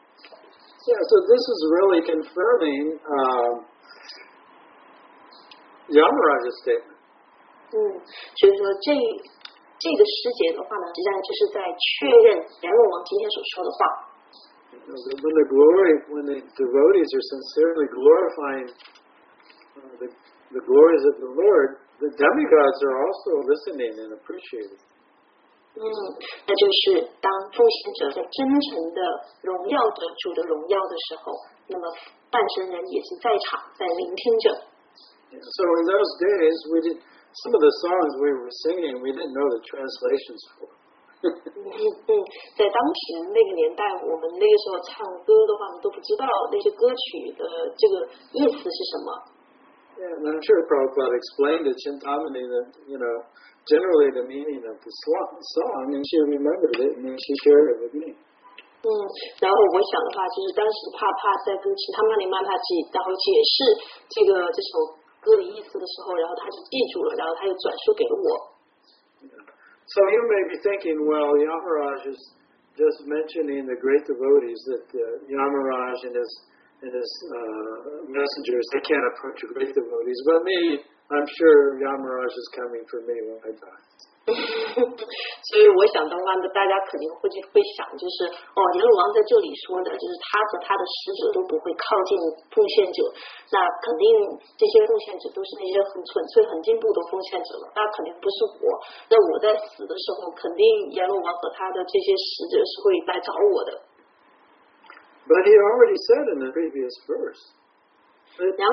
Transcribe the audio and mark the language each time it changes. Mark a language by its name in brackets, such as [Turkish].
[English] Yeah, so this is really confirming Yamaraj's statement. [Chinese] 所以说这个诗节的话呢，实际上就是在确认阎罗王今天所说的话。 [English] when the glory, when the devotees are sincerely glorifying the glories of the Lord, the demigods are also listening and appreciating. [Chinese] 那就是当奉献者在真诚的荣耀着主的荣耀的时候，那么半生人也是在场，在聆听着。 [English] So in those days, we did some of the songs we were singing. We didn't know the translations for. [Chinese] 在当时那个年代，我们那个时候唱歌的话，我们都不知道那些歌曲的这个意思是什么。 [English] Yeah, and I'm sure Prabhupada explained to Chintamani that, you know, generally the meaning of the song, and she remembered it, and she shared it with me. [Chinese] 然后我想的话，就是当时帕帕在跟Chintamani Mataji然后解释这个这首歌的意思的时候，然后他就记住了，然后他又转述给了我。 [English] So you may be thinking, well, Yamaraj is just mentioning the great devotees that Yamaraj and his messengers, they can't approach the great devotees. But me, I'm sure Yamaraj is coming for me when I die. [Chinese] 所以我想的话呢，大家肯定会想，就是哦，阎罗王在这里说的，就是他和他的使者都不会靠近奉献者。那肯定这些奉献者都是那些很纯粹、很进步的奉献者了。那肯定不是我。那我在死的时候，肯定阎罗王和他的这些使者是会来找我的。 [English] But he already said in the previous verse.